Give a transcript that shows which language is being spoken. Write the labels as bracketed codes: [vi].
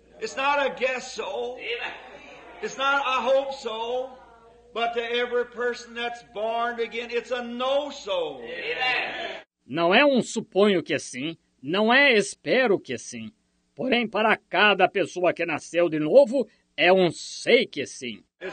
[en] It's not a guess so. It's not a hope so. But to every person that's born again, it's a know so. [pt] Não é um suponho que sim, não é espero que sim. Porém, para cada pessoa que nasceu de novo, é um sei que sim.